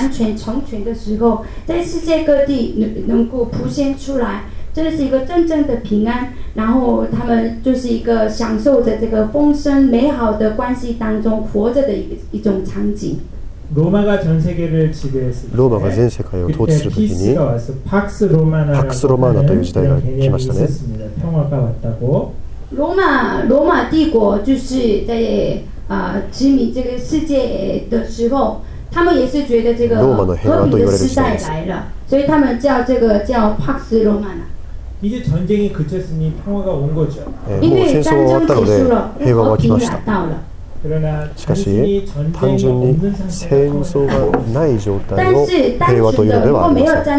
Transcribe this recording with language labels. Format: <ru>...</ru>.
<zh>完全成全的时候，在世界各地能够浮现出来，这是一个真正的平安。然后他们就是一个享受着这个丰盛美好的关系当中活着的一种场景。</zh> <ja>ローマが全世界を統治するときに、パクスロマーナという時代が来ましたね。</ja> <zh>ローマ帝国就是在殖民这个世界的时候，他们也是觉得这个</zh> <ja>ローマの平和と言われる</ja> <zh>時代来了，所以他们叫这个叫パクスロマーナ。</zh> <ko>이제전쟁이그쳤으니평화가온거죠。</ko> <ja>もう戦争が終わったので平和が来ました。しかし単純に戦争がない状態を平和というのではありません。</ja>